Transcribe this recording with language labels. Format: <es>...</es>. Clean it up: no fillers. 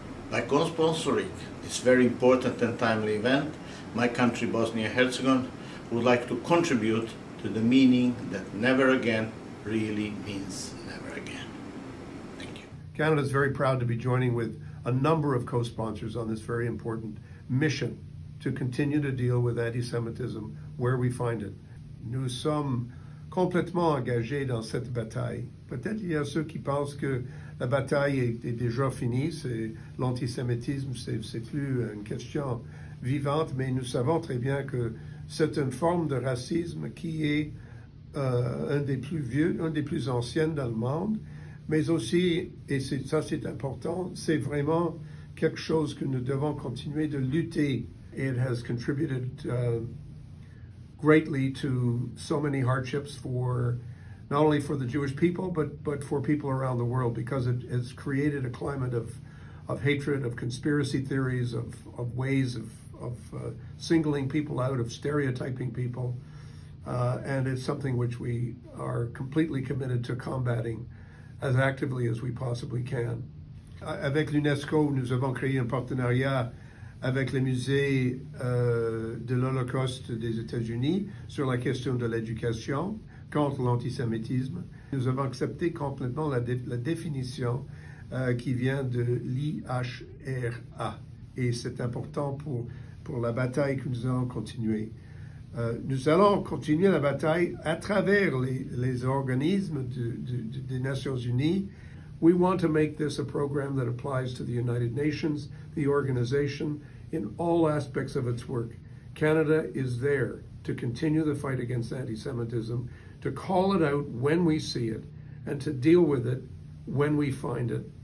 <en>By co-sponsoring this very important and timely event, my country, Bosnia-Herzegovina, would like to contribute to the meaning that never again really means never again. Thank you. Canada is very proud to be joining with a number of co-sponsors on this very important mission to continue to deal with anti-Semitism where we find it.</en> <fr>Nous sommes complètement engagés dans cette bataille. Peut-être il y a ceux qui pensent que la bataille est déjà finie, c'est l'antisémitisme, c'est plus une question vivante, mais nous savons très bien que c'est une forme de racisme qui est un des plus vieux, un des plus anciens dans le monde. Mais aussi, et c'est, ça c'est important, c'est vraiment quelque chose que nous devons continuer de lutter.</fr> <en>It has contributed greatly to so many hardships for, not only for the Jewish people, but for people around the world, because it has created a climate of hatred, of conspiracy theories, of ways of singling people out, of stereotyping people. And it's something which we are completely committed to combating as actively as we possibly can.</en> <fr>Avec l'UNESCO, nous avons créé un partenariat avec le musée de l'Holocaust des États-Unis sur la question de l'éducation contre l'antisémitisme. Nous avons accepté complètement la définition qui vient de l'IHRA. Et c'est important pour la bataille que nous allons continuer. Nous allons continuer la bataille à travers les organismes des Nations Unies.</fr> <en>We want to make this a program that applies to the United Nations, the organization, in all aspects of its work. Canada is there to continue the fight against anti-Semitism, to call it out when we see it, and to deal with it when we find it.</en>